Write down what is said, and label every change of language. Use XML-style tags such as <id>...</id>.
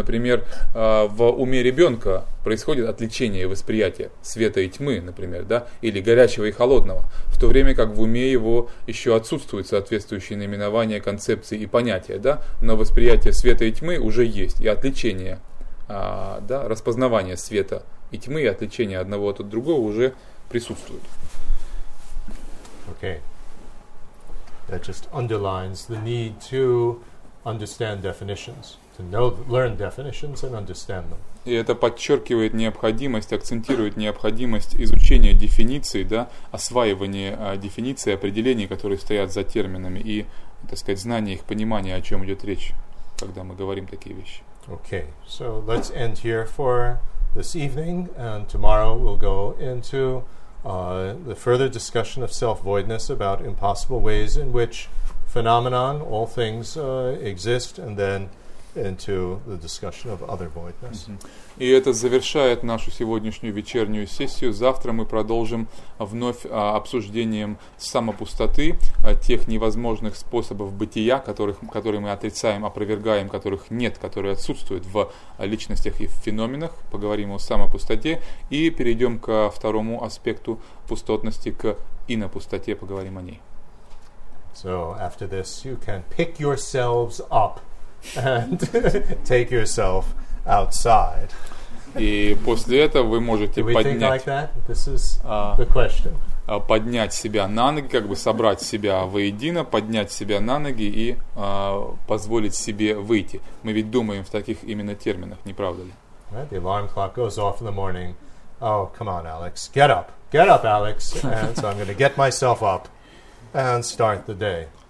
<ru>Например, в уме ребенка происходит отвлечение и восприятие света и тьмы, например, да, или горячего и холодного, в то время как в уме его еще отсутствуют соответствующие наименования, концепции и понятия, да, но восприятие света и тьмы уже есть, и отвлечение, да, распознавание света и тьмы, и отвлечение одного от другого уже присутствует.</ru> <en>Okay. That just underlines the need to understand definitions, to know, learn definitions and understand them.</en> <ru>И это подчеркивает необходимость, акцентирует необходимость изучения дефиниций, да, осваивания дефиниций, определений, которые стоят за терминами, и, так сказать, знание их, понимание, о чем идет речь, когда мы говорим такие вещи.</ru> <en>Okay, so let's end here for this evening, and tomorrow we'll go into... the further discussion of self-voidness about impossible ways in which phenomenon, all things exist, and then into the discussion of other voidness. Mm-hmm.</en> <ru>И это завершает нашу сегодняшнюю вечернюю сессию. Завтра мы продолжим вновь обсуждением самопустоты, тех невозможных способов бытия, которые мы отрицаем, опровергаем, которых нет, которые отсутствуют в личностях и в феноменах. Поговорим о самопустоте и перейдем ко второму аспекту пустотности, к инопустоте, поговорим о ней.</ru> <en>So after this, you can pick yourselves up and take yourself outside.</en> <ru>И после этого вы можете поднять.</ru> <en>Do we think like that? This is the question.</en> <ru>Поднять себя на ноги, как бы собрать себя воедино, поднять себя на ноги и позволить себе выйти. Мы ведь думаем в таких именно терминах, не правда ли?</ru> <en>Right, the alarm clock goes off in the morning. Oh, come on, Alex, get up, Alex. And so I'm going to get myself up and start the day.</en>